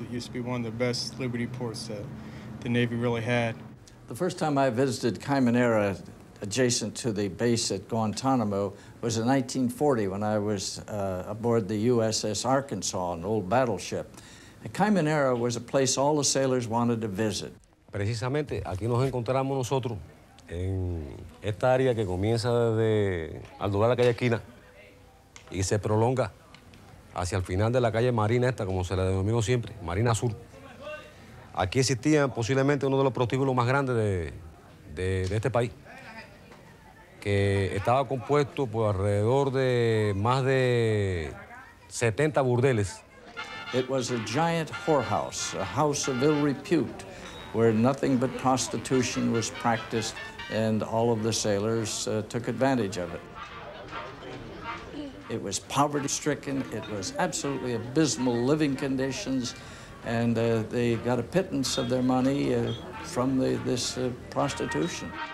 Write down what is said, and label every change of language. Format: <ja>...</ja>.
<en>It used to be one of the best Liberty ports that the Navy really had. The first time I visited Caimanera, adjacent to the base at Guantanamo, was in 1940 when I was aboard the USS Arkansas, an old battleship. And Caimanera was a place all the sailors wanted to visit.</en> <es>Precisamente aquí nos encontramos nosotros en esta área que comienza desde al doblar la calle Esquina y se prolonga hacia el final de la calle Marina esta, como se la denominó siempre, Marina Sur. Aquí existía posiblemente uno de los prostíbulos más grandes de este país, que estaba compuesto por alrededor de más de 70 burdeles.</es> <en>It was a giant whorehouse, a house of ill repute, where nothing but prostitution was practiced, and all of the sailors took advantage of it. It was poverty-stricken, it was absolutely abysmal living conditions, and they got a pittance of their money from this prostitution.</en>